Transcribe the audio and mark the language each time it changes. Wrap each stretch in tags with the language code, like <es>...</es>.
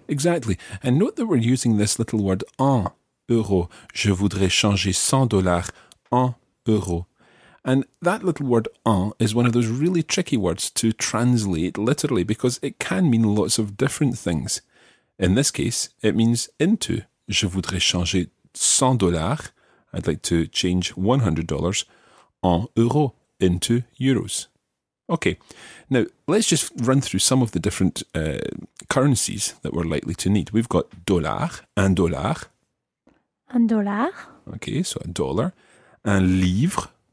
<en>Exactly. And note that we're using this little word</en> <fr>en euros. Je voudrais changer 100 dollars en euros.</fr> <en>And that little word en is one of those really tricky words to translate literally because it can mean lots of different things. In this case, it means into.</en> <fr>Je voudrais changer 100 dollars.</fr> <en>I'd like to change $100</en> <fr>en euros,</fr> <en>into euros. Okay, now let's just run through some of the different currencies that we're likely to need. We've got dollar,</en> <fr>un dollar. Un dollar.</fr> <en>Okay, so a dollar.</en> <fr>Un livre.</fr>